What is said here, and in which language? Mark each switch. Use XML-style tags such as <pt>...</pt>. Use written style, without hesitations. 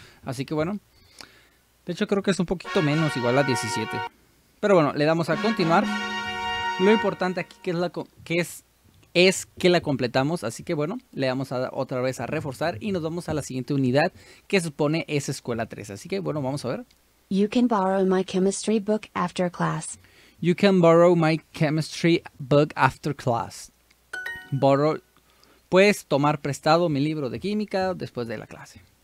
<es>Así que bueno, de hecho creo que es un poquito menos, igual a 17. Pero bueno, le damos a continuar. Lo importante aquí que es, es que la completamos. Así que bueno, le damos a otra vez a reforzar y nos vamos a la siguiente unidad que supone es escuela 3. Así que bueno, vamos a ver.</es> <en>You can borrow my chemistry book after class. You can borrow my chemistry book after class. Borrow.</en> <es>Puedes tomar prestado mi libro de química después de la clase.</es>